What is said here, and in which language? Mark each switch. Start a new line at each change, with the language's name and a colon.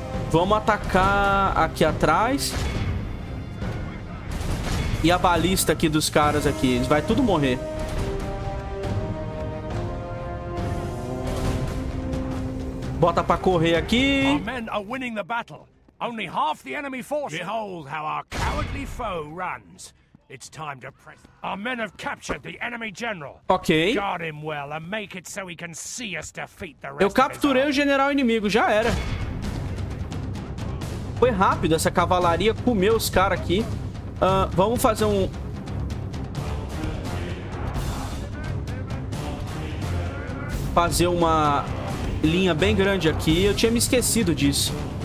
Portuguese: Vamos atacar aqui atrás. E a balista aqui dos caras aqui. Eles vai tudo morrer. Bota pra correr aqui. Os homens estão ganhando a batalha. Apenas metade do inimigo.
English: Behold how our cowardly foe runs. It's time to press. Our men have captured the enemy general. Okay. Guard him well and make it so he can see us defeat the rest.
Portuguese: Eu capturei o general inimigo, já era. Foi rápido, essa cavalaria comeu os caras aqui. Vamos fazer um. Fazer uma linha bem grande aqui. Eu tinha me esquecido disso.